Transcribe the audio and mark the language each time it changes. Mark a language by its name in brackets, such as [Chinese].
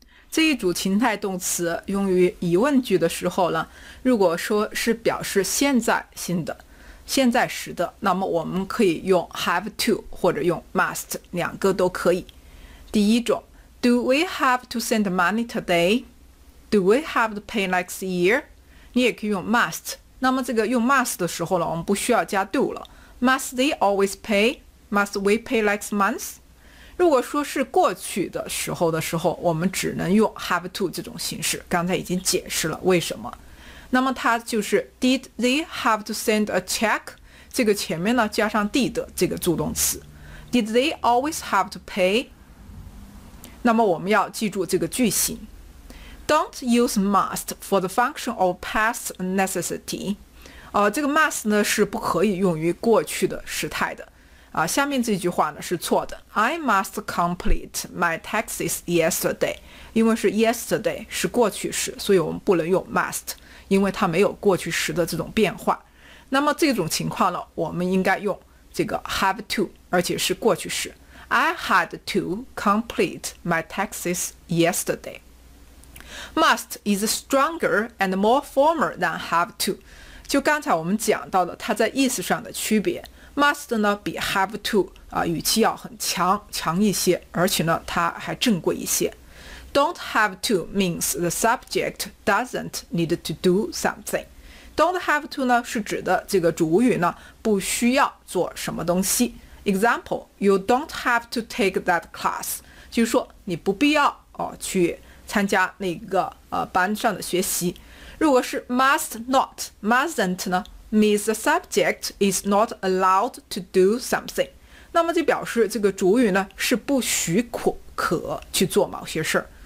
[Chinese] 这一组情态动词用于疑问句的时候呢如果说是表示现在性的现在时的那么我们可以用 have to 或者用 must 两个都可以第一种 [English] Do we have to send money today? Do we have to pay next year? [Chinese] 你也可以用 must 那么这个用 must 的时候呢，我们不需要加 do 了。 [English] Must they always pay? Must we pay next month? [Chinese] 如果说是过去的时候的时候，我们只能用 have to 这种形式。刚才已经解释了为什么。那么它就是 [English] did they have to send a check? [Chinese] 这个前面呢加上 did 这个助动词。 [English] Did they always have to pay? [Chinese] 那么我们要记住这个句型。 [English] Don't use must for the function of past necessity. [Chinese] 这个 must 呢是不可以用于过去的时态的。下面这句话呢是错的。 [English] I must complete my taxes yesterday. [Chinese] 因为是 yesterday, 是过去时，所以我们不能用 must, 因为它没有过去时的这种变化。那么这种情况呢，我们应该用这个 have to, 而且是过去时。 [English] I had to complete my taxes yesterday. Must is stronger and more formal than have to. [Chinese] 就刚才我们讲到的它在意思上的区别。 Must 呢比 have to, 语气要很强一些，而且呢它还正规一些。 [English] Don't have to means the subject doesn't need to do something. [Chinese] Don't have to 呢是指的这个主语呢不需要做什么东西。 [English] Example, you don't have to take that class. [Chinese] 就是说你不必要去参加那个班上的学习。如果是 must not, mustn't 呢 [English] means the subject is not allowed to do something, [Chinese] 那么就表示这个主语呢是不许可去做某些事。